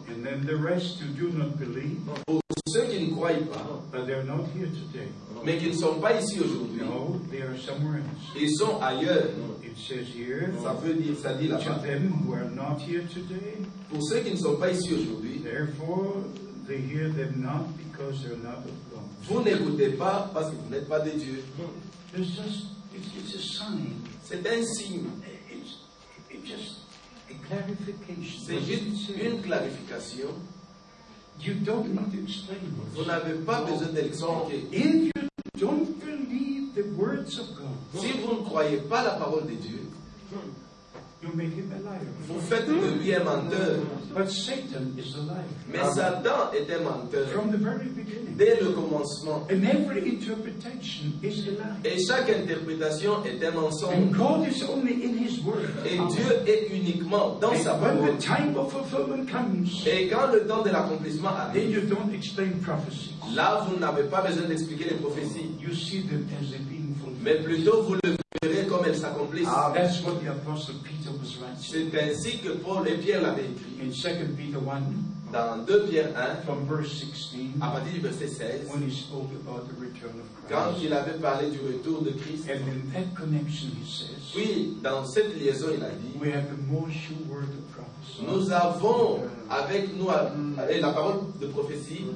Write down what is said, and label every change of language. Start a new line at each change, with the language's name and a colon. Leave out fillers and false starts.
English: And then the rest who do not believe.
French: Pour ceux qui ne croient pas.
English: But they are not here today.
French: Mais qui ne sont pas ici aujourd'hui.
English: No, they are somewhere else.
French: Ils sont ailleurs.
English: It says here,
French: ça veut dire, ça dit là-bas.
English: To them who are not here today.
French: Pour ceux qui ne sont pas ici aujourd'hui.
English: Therefore, they hear them not because they are not of God.
French: Vous n'écoutez pas parce que vous n'êtes pas de Dieu.
English: It's a sign.
French: C'est un signe.
English: It's just a clarification.
French: C'est juste une clarification.
English: You don't need to explain this.
French: Vous n'avez pas besoin d'expliquer.
English: If you don't believe the words of God,
French: si vous ne croyez pas la parole de Dieu,
English: You make him a liar.
French: Vous faites de lui un menteur.
English: But Satan is a liar.
French: Mais Satan est un menteur.
English: From the very beginning.
French: Dès le commencement.
English: And every interpretation is a lie.
French: Et chaque interprétation est un mensonge.
English: And God is only in his word.
French: Et Dieu est uniquement dans
English: and
French: sa parole.
English: When the time of fulfillment comes,
French: et quand le temps de l'accomplissement arrive,
English: then you don't explain prophecy.
French: Là, vous n'avez pas besoin d'expliquer les prophéties.
English: You see them as they being fulfilled.
French: Mais plutôt, vous le verrez comme elles s'accomplissent.
English: Ah, that's what the apostle Peter was writing.
French: C'est ainsi que Paul et Pierre l'avaient écrit.
English: In 2 Peter 1,
French: dans 2 Pierre 1,
English: from verse 16,
French: à partir du verset 16,
English: when he spoke about the return of Christ,
French: quand il avait parlé du retour de Christ,
English: and in that connection he says,
French: oui, dans cette liaison, il a dit,
English: we have the most sure word of prophecy.
French: Nous avons avec nous la parole de prophétie.